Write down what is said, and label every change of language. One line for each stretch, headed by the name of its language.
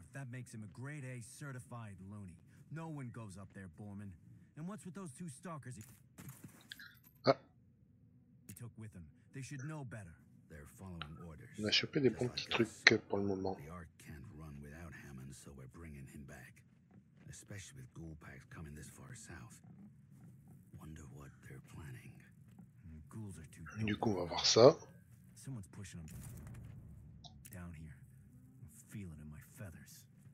English: Makes him a grade A certified loony. No one goes up there, Borman. And what's with those two stalkers he took with him? They should know better. They're following orders.
French: On a chopé des bons petits trucs pour le moment.
English: The Ark can't run without Hammond, so we're bringing him back. Especially with ghoul packs coming this far south. Wonder what they're planning. Ghouls are too big.
French: Du coup, on va voir ça.
English: Someone's pushing them down here. I'm feeling in my feathers.